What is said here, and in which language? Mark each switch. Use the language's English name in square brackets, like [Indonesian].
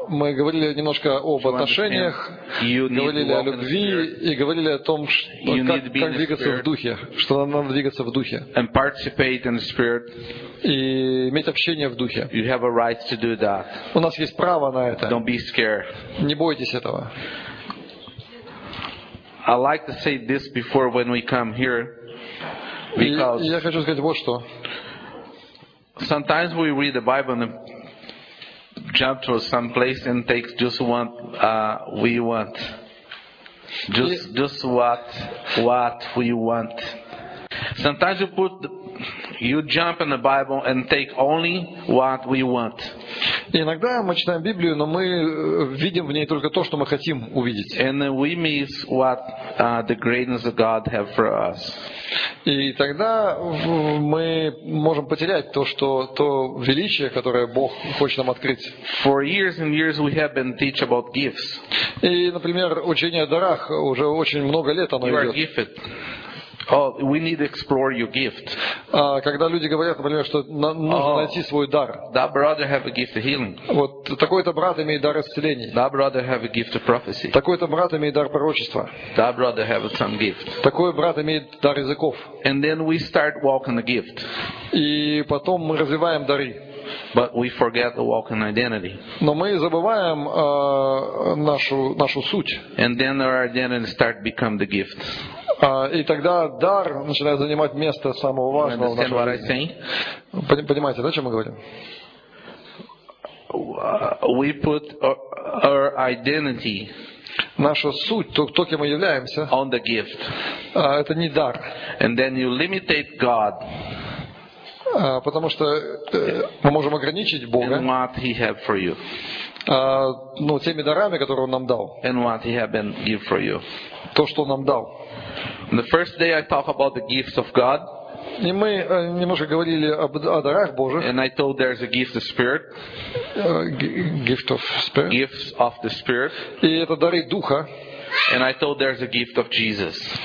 [Russian] Мы говорили немножко об отношениях, говорили о любви, и говорили о том, как двигаться в духе, что нам надо двигаться в духе. [English] And participate in the Spirit. [Russian] И иметь общение в духе. [English] You have a right to do that. [Russian] У нас есть право на это. [English] Don't be scared. [Russian] Не бойтесь этого. [English] I like to say this before when we come here. [Russian] Я хочу сказать вот что. [English] Sometimes we read the Bible and jump to some place and take just what we want. Just what we want. Sometimes you jump in the Bible and take only what we want. [Russian] Иногда мы читаем Библию, но мы видим в ней только то, что мы хотим увидеть. [English] And we miss what the greatness of God have for us. [Russian] И тогда мы можем потерять то величие, которое Бог хочет нам открыть. [English] For years and years we have been teach about gifts. [Russian] И, например, учение о дарах уже очень много лет оно идет. [English] we need to explore your gift. [Russian] Когда люди говорят, например, что нужно найти свой дар. [English] That brother have a gift of healing. [Russian] Вот такой-то брат имеет дар исцеления. [English] That brother have a gift of prophecy. [Russian] Такой-то брат имеет дар пророчества. [English] That brother have some gift. [Russian] Такой брат имеет дар языков. [English] And then we start walking the gift. [Russian] И потом мы развиваем дары. [English] But we forget the walking identity. [Russian] Но мы забываем нашу суть. [English] And then our identity start become the gift. [Russian] И тогда дар начинает занимать место самого важного в нашей жизни. Понимаете, да, о чем мы говорим? [English] We put our identity. [Russian] Наша суть, то, кем мы являемся. [English] On the gift. [Russian] Это не дар. [English] And then you limitate God. [Russian] Потому что мы можем ограничить Бога. [English] And what he have for you. [Russian] Ну, теми дарами, которые Он нам дал. [English] And what he have been give for you. [Russian] То, что Он нам дал. [English] The first day I talk about the gifts of God. [Russian] И мы немножко говорили о дарах Божьих. [English] And I told there's a gift of spirit. Gift of spirit. Gifts of the spirit. [Russian] И это дары Духа. [English] And I told there's a gift of Jesus.